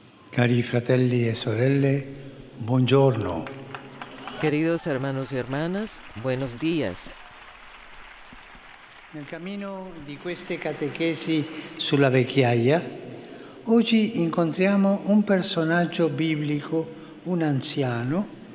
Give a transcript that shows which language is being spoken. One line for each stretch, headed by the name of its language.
Italian: Cari fratelli e sorelle, buongiorno.
Spanish: Queridos hermanos y hermanas, buenos días.
Italian: Nel camino di queste catechesi sulla vecchiaia, oggi incontriamo un personaggio biblico, un anziano.